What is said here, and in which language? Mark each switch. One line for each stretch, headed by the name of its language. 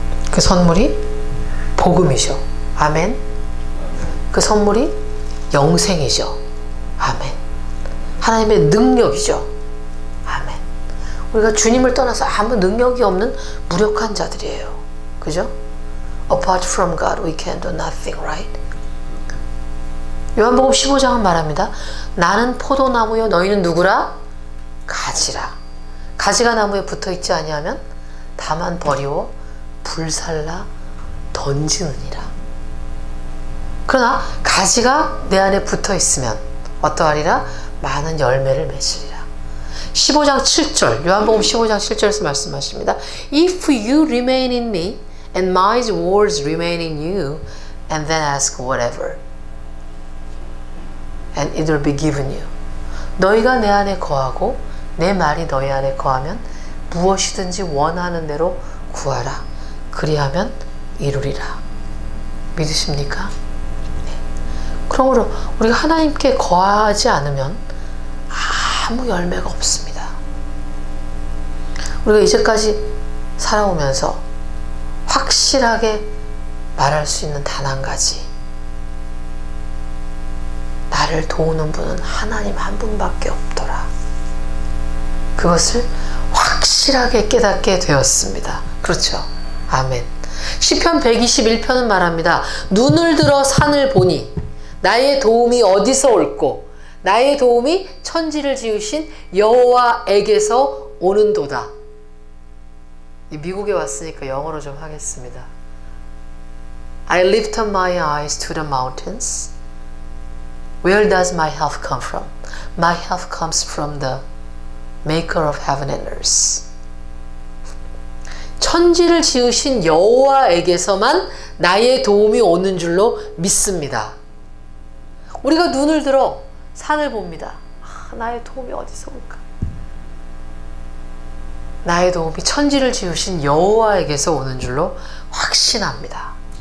Korean: 그 선물이 복음이죠. 아멘. 그 선물이 영생이죠. 아멘. 하나님의 능력이죠. 아멘. 우리가 주님을 떠나서 아무 능력이 없는 무력한 자들이에요. 그죠?
English: Apart from God, we can do nothing, right?
Korean: 요한복음 15장은 말합니다. 나는 포도나무요 너희는 누구라? 가지라. 가지가 나무에 붙어있지 아니하면 다만 버리오 불살라 던지느니라. 그러나 가지가 내 안에 붙어있으면 어떠하리라? 많은 열매를 맺으리라. 15장 7절, 요한복음 15장 7절에서 말씀하십니다.
English: If you remain in me and my words remain in you, and then ask whatever, and it will be given you.
Korean: 너희가 내 안에 거하고 내 말이 너희 안에 거하면 무엇이든지 원하는 대로 구하라. 그리하면 이루리라. 믿으십니까? 네. 그러므로 우리가 하나님께 거하지 않으면 아무 열매가 없습니다. 우리가 이제까지 살아오면서 확실하게 말할 수 있는 단 한 가지, 나를 도우는 분은 하나님 한 분밖에 없더라. 그것을 확실하게 깨닫게 되었습니다. 그렇죠? 아멘. 시편 121편은 말합니다. 눈을 들어 산을 보니 나의 도움이 어디서 올꼬? 나의 도움이 천지를 지으신 여호와에게서 오는도다. 미국에 왔으니까 영어로 좀 하겠습니다.
English: I lift up my eyes to the mountains. Where does my help come from? My help comes from the maker of heaven and earth.
Korean: 천지를 지으신 여호와에게서만 나의 도움이 오는 줄로 믿습니다. 우리가 눈을 들어 산을 봅니다. 나의 도움이 어디서 올까? 나의 도움이 천지를 지으신 여호와에게서 오는 줄로 확신합니다.